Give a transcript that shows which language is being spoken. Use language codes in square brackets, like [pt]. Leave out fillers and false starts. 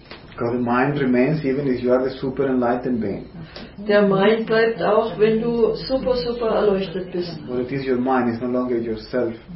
[en] Because the mind remains even if you are the super enlightened being. [de] Der Mind bleibt auch, wenn du super, super erleuchtet bist. [en] But it is your mind, it's no longer yourself.